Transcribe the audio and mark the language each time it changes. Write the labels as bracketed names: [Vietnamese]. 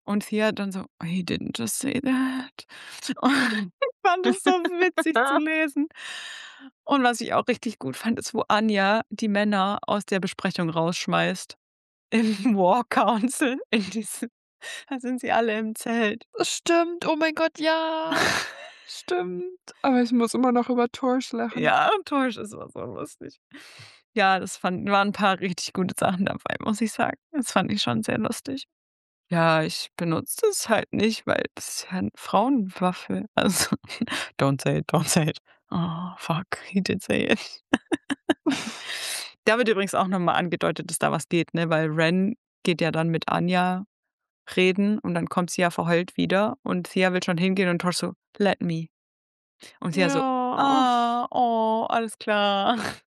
[German] Und Thea dann so, [English] he didn't just say that. [German] Und ich fand es so witzig zu lesen. Und was ich auch richtig gut fand, ist, wo Anya die Männer aus der Besprechung rausschmeißt. Im War Council. In diesem, da sind sie alle im Zelt. Stimmt, oh mein Gott, ja. Stimmt. Aber ich muss immer noch über Torsch lachen. Ja, Torsch ist immer so lustig. Ja, das waren ein paar richtig gute Sachen dabei, muss ich sagen. Das fand ich schon sehr lustig. Ja, ich benutze das halt nicht, weil das ist ja eine Frauenwaffe. [English] Also, don't say it, don't say it. Oh, fuck, he did say it. [German] Da wird übrigens auch nochmal angedeutet, dass da was geht, ne? Weil Ren geht ja dann mit Anya reden und dann kommt sie ja verheult wieder und Thea will schon hingehen und Torsch so, [English] let me. [German] Und Thea ja. So, oh, alles klar.